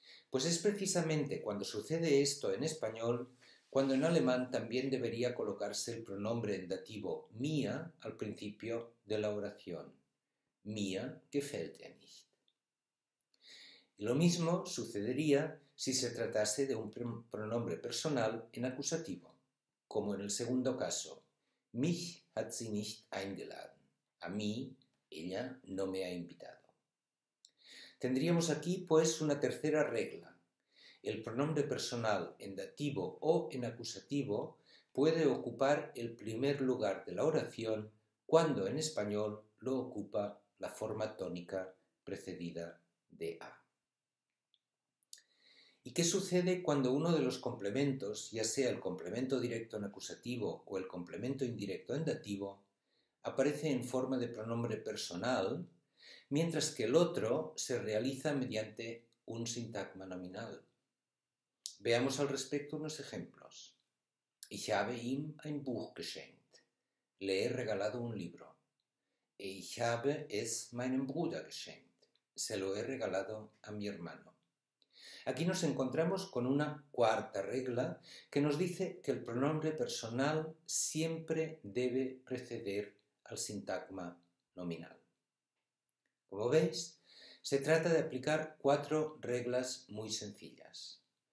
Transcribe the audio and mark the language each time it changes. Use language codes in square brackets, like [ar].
[es] Pues es precisamente cuando sucede esto en español, cuando en alemán también debería colocarse el pronombre en dativo mía al principio de la oración. [de] Mir gefällt er nicht. [es] Y lo mismo sucedería si se tratase de un pronombre personal en acusativo, como en el segundo caso. [de] Mich hat sie nicht eingeladen. [es] A mí, ella no me ha invitado. Tendríamos aquí, pues, una tercera regla. El pronombre personal en dativo o en acusativo puede ocupar el primer lugar de la oración cuando en español lo ocupa la forma tónica precedida de a. ¿Y qué sucede cuando uno de los complementos, ya sea el complemento directo en acusativo o el complemento indirecto en dativo, aparece en forma de pronombre personal, mientras que el otro se realiza mediante un sintagma nominal? Veamos al respecto unos ejemplos. [de] Ich habe ihm ein Buch geschenkt. [es] Le he regalado un libro. [de] Ich habe es meinem Bruder geschenkt. [es] Se lo he regalado a mi hermano. Aquí nos encontramos con una cuarta regla que nos dice que el pronombre personal siempre debe preceder al sintagma nominal. Como veis, se trata de aplicar cuatro reglas muy sencillas.